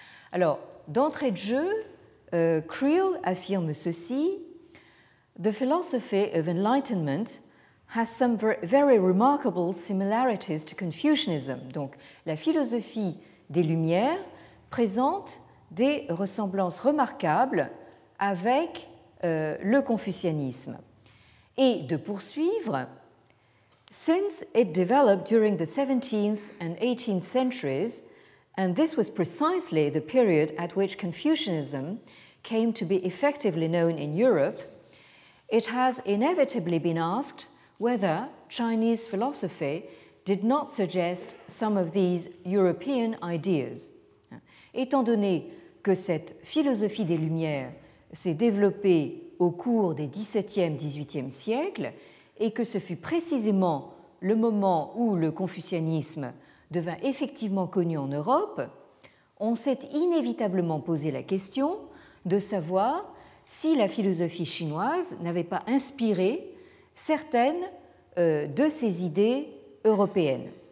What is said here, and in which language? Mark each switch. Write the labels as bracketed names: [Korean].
[French] Alors, d'entrée de jeu, Creel affirme ceci: [English] The philosophy of enlightenment has some very remarkable similarities to Confucianism. [French] Donc, la philosophie des Lumières présente des ressemblances remarquables avec le confucianisme. Et de poursuivre, [English] since it developed during the 17th and 18th centuries, and this was precisely the period at which Confucianism came to be effectively known in Europe, it has inevitably been asked whether Chinese philosophy did not suggest some of these European ideas. [French] Étant donné que cette philosophie des Lumières s'est développée au cours des 17e, 18e siècles, et que ce fut précisément le moment où le confucianisme devint effectivement connu en Europe, on s'est inévitablement posé la question de savoir si la philosophie chinoise n'avait pas inspiré certaines de ces idées européennes.